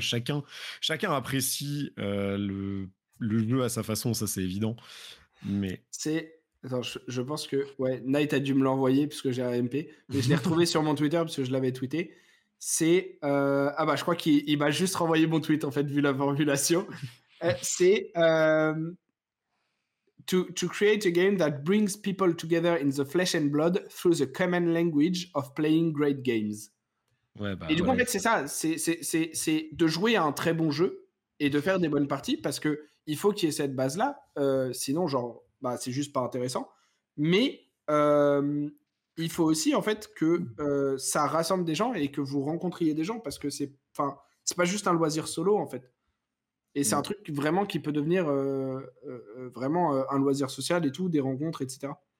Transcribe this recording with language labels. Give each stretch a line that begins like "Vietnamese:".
French: Chacun apprécie le jeu à sa façon, ça, c'est évident. Mais... Attends, je pense que ouais, Knight a dû me l'envoyer puisque j'ai un MP, mais je l'ai retrouvé sur mon Twitter parce que je l'avais tweeté. C'est je crois qu'il m'a juste renvoyé mon tweet en fait vu la formulation. C'est
English: to create a game that brings people together in the flesh and blood through the common language of playing great games.
French: Ouais, bah, et du coup, ouais, en fait, c'est ça. C'est de jouer à un très bon jeu et de faire des bonnes parties parce que il faut qu'il y ait cette base là, sinon genre. Bah, c'est juste pas intéressant, mais il faut aussi en fait que ça rassemble des gens et que vous rencontriez des gens parce que c'est pas juste un loisir solo en fait, et c'est un truc vraiment qui peut devenir vraiment un loisir social et tout, des rencontres, etc.